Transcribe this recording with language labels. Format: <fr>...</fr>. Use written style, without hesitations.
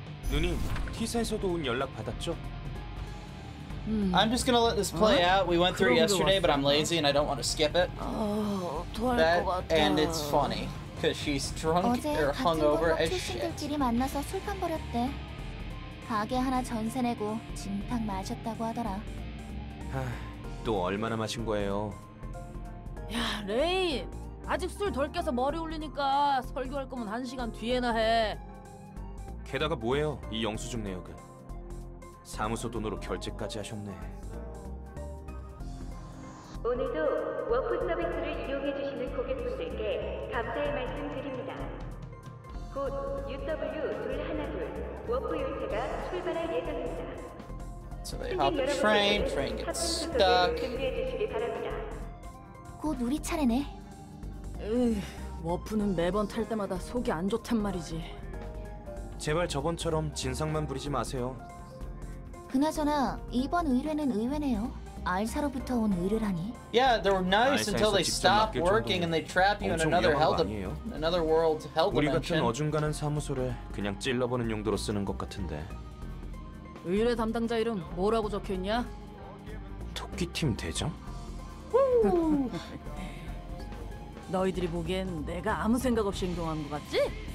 <ko>Nunim, T-센서도 온 연락 받았죠?</ko> <en>I'm just gonna let this play out. We went through it yesterday, but I'm lazy and I don't want to skip it. That, and it's funny, because she's drunk or hungover as shit.</en> <ko>만나서 술판 벌였대. 가게 하나 전세 내고 진탕 마셨다고 하더라. 하, 또 얼마나 마신 거예요? 야, 레이! 아직 술 덜 깨서 머리 울리니까 설교할 거면 한 시간 뒤에나 해. 게다가 뭐예요, 이 영수증 내역은? 사무소 돈으로 결제까지 하셨네. 오늘도 워프 서비스를 이용해 주시는 고객분들께 감사의 말씀 드립니다. 곧 UW212 워프 열차가 출발할 예정입니다.</ko> <en>So they hop the train gets stuck.</en> <ko>준비해 주시기 바랍니다. 곧 우리 차례네. 워프는 매번 탈 때마다 속이 안 좋단 말이지. 제발 저번처럼 진상만 부리지 마세요. 그나저나 이번 의뢰는 의뢰네요. 알사로부터 온 의뢰라니.</ko> <en>Yeah, they were nice until they stop working and they trap you in another hell dimension. Another world hell dimension.</en> <ko>우리 같은 어중간한 사무소를 그냥 찔러보는 용도로 쓰는 것 같은데. 의뢰 담당자 이름 뭐라고 적혀있냐? 토끼팀 대장? 너희들이 보기엔 내가 아무 생각 없이 행동한 것 같지?</ko>